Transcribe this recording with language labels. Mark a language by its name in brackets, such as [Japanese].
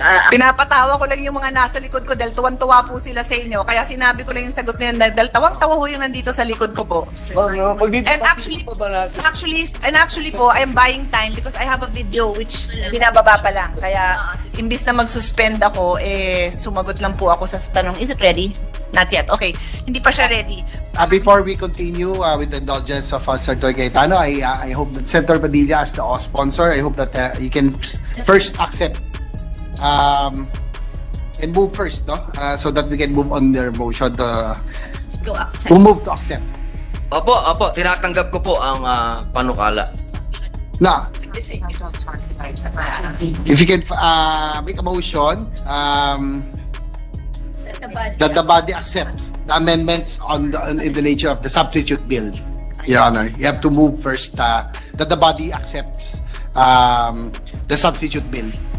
[Filipino] Pinapatawa ko lang yung mga nasa likod ko dahil tuwan-tuwa po sila sa inyo. Kaya sinabi ko lang yung sagot ngayon dahil tawang-tawa ho yung nandito sa likod ko po. [English] And actually po, I'm buying time because I have a video which [Filipino] binababa pa lang. [English] Kaya imbis na mag-suspend ako, sumagot lang po ako sa tanong, is it ready? Not yet. [Filipino] Okay, hindi pa siya ready. [English] Before we continue with the indulgence of Senator Cayetano, I hope that Senator Padilla as the sponsor, I hope that you can first accept and move first, no? So that we can move on their motion to go accept. We'll move to accept. [Filipino] Opo, tinatanggap ko po ang panukala. Na. [English] If you can make a motion, that the body accepts the amendments on the, in the nature of the substitute bill, Your Honor. You have to move first that the body accepts the substitute bill.